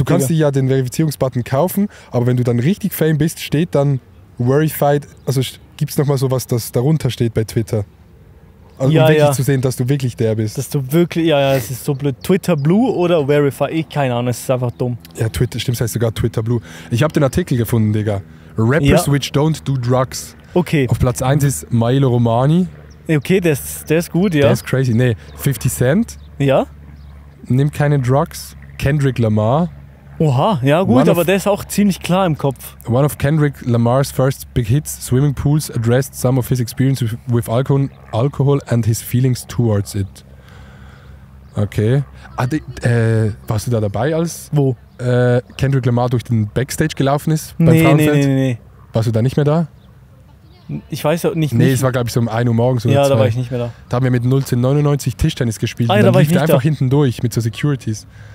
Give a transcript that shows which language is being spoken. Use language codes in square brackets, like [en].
[de] Du kannst dir ja den Verifizierungsbutton kaufen, aber wenn du dann richtig Fame bist, steht dann Verified, also gibt es nochmal sowas, das darunter steht bei Twitter. Also um wirklich zu sehen, dass du wirklich der bist. Dass du wirklich... es ist so blöd. Twitter Blue oder Verified? Ich keine Ahnung, es ist einfach dumm. Ja, stimmt, heißt sogar Twitter Blue. Ich habe den Artikel gefunden, Digga. [en] Rappers which don't do drugs. [de] Okay. Auf Platz 1 ist Milo Romani. Okay, der ist gut, ja. Der ist crazy. Nee, 50 Cent. Ja. Nimmt keine Drugs. Kendrick Lamar. Oha, ja gut, aber der ist auch ziemlich klar im Kopf. [en] One of Kendrick Lamar's first big hits, Swimming Pools, addressed some of his experience with alcohol and his feelings towards it. [de] Okay. Warst du da dabei, als wo? Kendrick Lamar durch den Backstage gelaufen ist beim Frauenfeld? Nee. Warst du da nicht mehr da? Ich weiß ja nicht. Nee, es war, glaube ich, so um 1 Uhr morgens. Ja, da war ich nicht mehr da. Da haben wir mit 1999 Tischtennis gespielt. Und dann lief der einfach hinten durch mit so Securities.